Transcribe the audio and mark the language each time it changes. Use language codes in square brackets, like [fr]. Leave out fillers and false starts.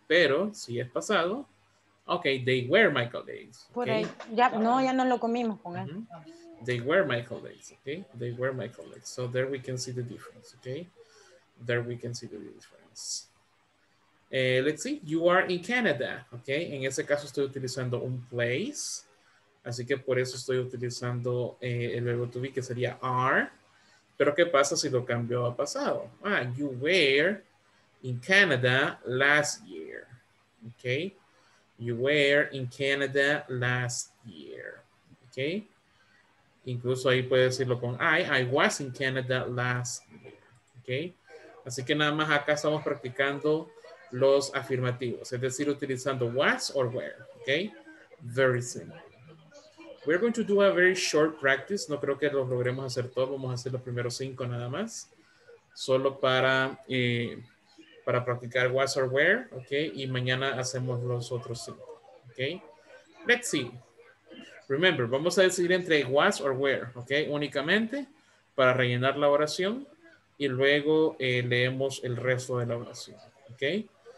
[es] Pero si es pasado, ok, [en] they were my colleagues. Okay. [es] Por ahí, ya, no, ya no lo comimos con él. [en] Uh-huh. They were my colleagues, ok. They were my colleagues. So there we can see the difference, ok. There we can see the difference. Let's see, you are in Canada, ok. [es] En ese caso estoy utilizando un place. Así que por eso estoy utilizando el verbo to be, que sería are. Pero ¿qué pasa si lo cambio a pasado? [en] Ah, you were in Canada last year, okay? You were in Canada last year, okay? [es] Incluso ahí puede decirlo con [en] I was in Canada last year, okay? [es] Así que nada más acá estamos practicando los afirmativos, es decir, utilizando was or were, okay? [en] Very simple. We're going to do a very short practice. [es] No creo que lo logremos hacer todo. Vamos a hacer los primeros 5 nada más. Solo para practicar [en] was or where, okay? [es] Y mañana hacemos los otros 5, okay? [en] Let's see. Remember, [es] vamos a decidir entre [en] was or where, okay? [es] Únicamente para rellenar la oración y luego leemos el resto de la oración, okay?